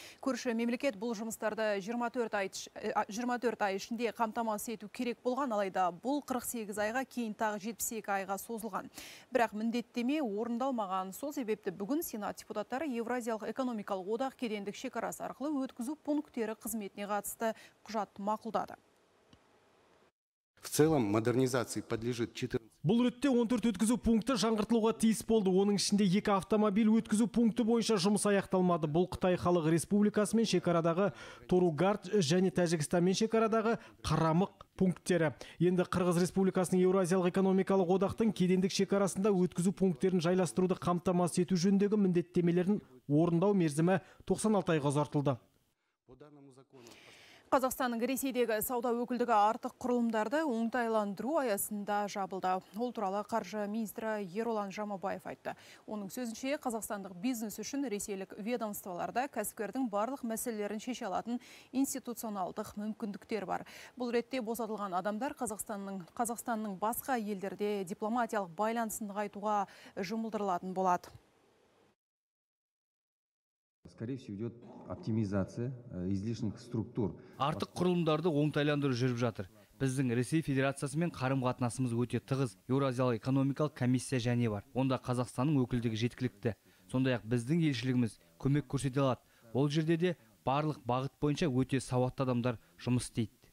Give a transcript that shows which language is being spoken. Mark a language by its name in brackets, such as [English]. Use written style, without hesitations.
[Kazakh] Көрші мемлекет бұл жұмыстарды 24 ай ішінде қамтамасыз ету керек болған, алайда бұл 48 айға кейін тағы 72 айға созылған. Бірақ міндеттеме орындалмаған, сол себепті бүгін сенат депутаттары Евразиялық экономикалық одақ кедендік шекарасы арқылы өткізу пункттері қызметіне қатысты құжат мақұлдады. [Russian] В целом модернизации подлежит 14. [Kazakh] Бұл ретте 14 өткізу пункті жаңғыртылуға тиіс болды. Оның ішінде 2 автомобиль өткізу пункті бойынша жұмыс аяқталмады. Бұл Қытай Халық Республикасы мен шекарадағы Торугард және Тәжікстан мен шекарадағы Қарамық пункттері. Енді Қырғыз Республикасының Еуразиялық экономикалық одақтың кедендік шекарасында өткізу пункттерін жайластыруды қамтамасыз ету жөніндегі міндеттемелерін орындау мерзімі 96 айға ұзартылды. Қазақстанның Ресейдегі сауда өкілдігі артық құрылымдарды оңтайландыру аясында жабылды. Ол туралы қаржы министрі Ерұлан Жамабаев айтты. Оның сөзінше, қазақстандық бизнес үшін ресейлік ведомстволарда кәсіпкердің барлық мәселелерін шеше алатын институционалдық мүмкіндіктер бар. Бұл ретте босатылған адамдар Қазақстанның басқа елдерде дипломатиялық байланысын нығайтуға жұмылдырылатын болады. [Russian] Скорее всего, идет оптимизация излишних структур. [Kazakh] Артық құрылымдарды оңтайландыру жүріп жатыр. Біздің Ресей Федерациясымен қарым-қатынасымыз өте тығыз. Еуразиялық экономикалық комиссия және бар. Онда Қазақстанның өкілдігі жеткілікті. Сондай-ақ біздің елшілігіміз көмек көрсете алады. Ол жерде де барлық бағыт бойынша өте сауатты адамдар жұмыс істейді.